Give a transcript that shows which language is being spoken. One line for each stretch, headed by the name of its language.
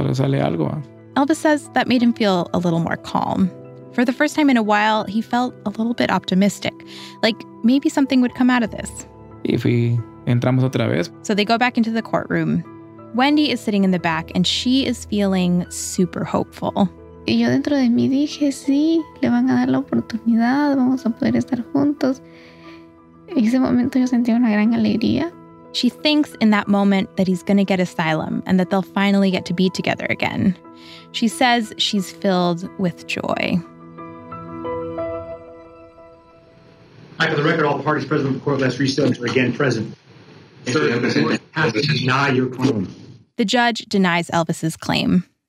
English: Elvis says that made him feel a little more calm. For the first time in a while, he felt a little bit optimistic, like maybe something would come out of this. If we
Spanish: entramos otra vez.
English: So they go back into the courtroom. Wendy is sitting in the back, and she is feeling super hopeful.
Spanish: Y yo dentro de mí dije, sí, le van a dar la oportunidad, vamos a poder estar juntos. En ese momento yo sentía una gran alegría.
English: She thinks in that moment that he's going to get asylum and that they'll finally get to be together again. She says she's filled with joy. Hi, for the record, all parties present in the court last recess are again present. The judge denies Elvis's claim.